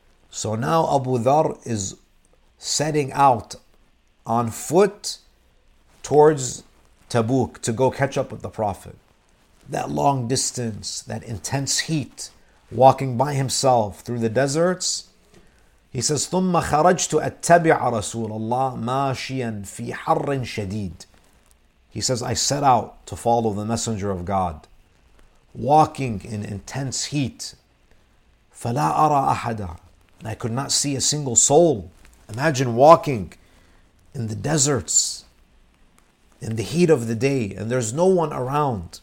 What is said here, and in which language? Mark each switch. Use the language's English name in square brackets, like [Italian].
[English] So now Abu Dharr is setting out on foot towards Tabuk to go catch up with the Prophet. That long distance, that intense heat, walking by himself through the deserts. He says, [Arabic] "ثُمَّ خَرَجْتُ أَتَّبِعَ رَسُولَ اللَّهِ مَاشِيًا فِي حَرٍّ شَدِيدٍ." [English] He says, "I set out to follow the Messenger of God, walking in intense heat. [Arabic] فَلَا أَرَى أَحَدًا." [English] I could not see a single soul. Imagine walking in the deserts, in the heat of the day, and there's no one around.